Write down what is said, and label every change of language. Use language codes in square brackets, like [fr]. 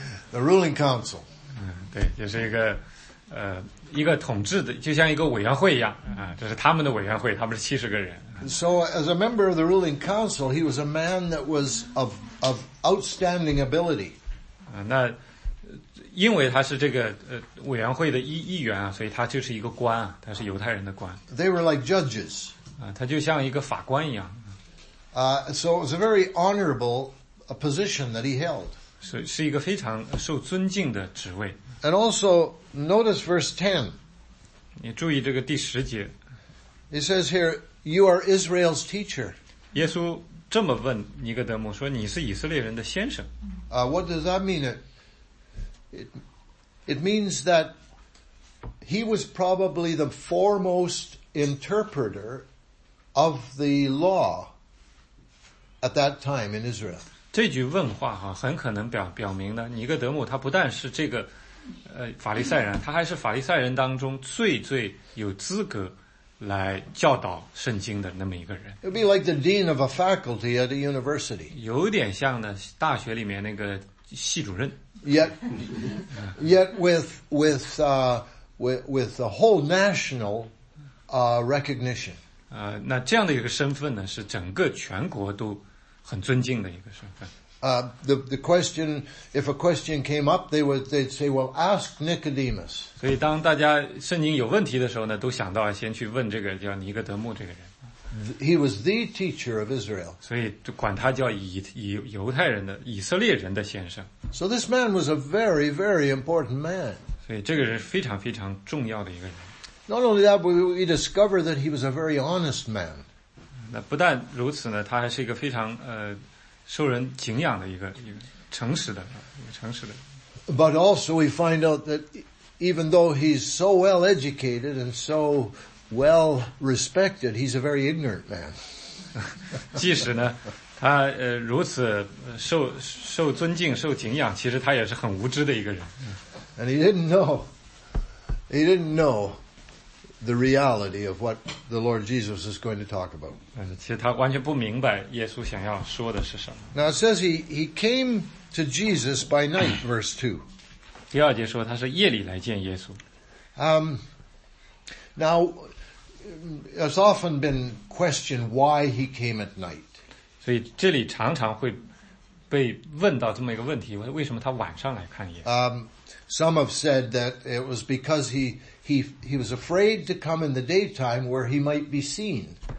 [en] The ruling council. [zh] 对，就是一个统治的，就像一个委员会一样，这是他们的委员会，他们是70个人。 [en] So as a member of the ruling council, he was a man that was of outstanding ability. [zh] 那因为他是这个委员会的议员啊，所以他就是一个官啊，他是犹太人的官。 [en] They were like judges. [zh] 他就像一个法官一样。 [en] So it was a very honorable position that he held. [zh] 是一个非常受尊敬的职位。 [en] And also, notice verse 10. [zh] 你注意这个第十节。 [en] It says here, you are Israel's teacher. [zh] 耶稣这么问尼哥德慕说你是以色列人的先生。 [en] What does that mean? It means that he was probably the foremost interpreter of the law. At that time in Israel. [zh] 这句问话啊，很可能表明呢，尼哥德慕他不但是这个法利赛人，他还是法利赛人当中最最有资格来教导圣经的那么一个人。 [en] It would be like the dean of a faculty at a university. [zh] 有点像呢，大学里面那个系主任。 [en] Yet with a whole national recognition. [zh] 那这样的一个身份呢，是整个全国都很尊敬的一个身份。 [en] The question, if a question came up, they'd say, well, ask Nicodemus. [zh] 所以当大家圣经有问题的时候呢，都想到先去问这个叫尼哥德慕这个人。 [en] He was the teacher of Israel. [zh] 所以就管他叫以色列人的先生。 [en] So this man was a very, very important man. [zh] 所以这个人是非常非常重要的一个人。 [en] Not only that, we discover that he was a very honest man. [zh] 那不但如此呢，他还是一个非常受人敬仰的一个。诚实的。 [en] But also we find out that even though he's so well educated and so well respected, he's a very ignorant man. [zh] 即使呢他如此受尊敬受敬仰其实他也是很无知的一个人。 [en] And he didn't know the reality of what the Lord Jesus is going to talk about. [zh] 其实他完全不明白耶稣想要说的是什么。 [en] Now it says he came to Jesus by night, verse 2. [zh] 第二节说他是夜里来见耶稣。 [en] Now, it's often been questioned why he came at night. [zh] 所以这里常常会被问到这么一个问题，为什么他晚上来看耶稣？ [en] Some have said that it was because he was afraid to come in the daytime where he might be seen.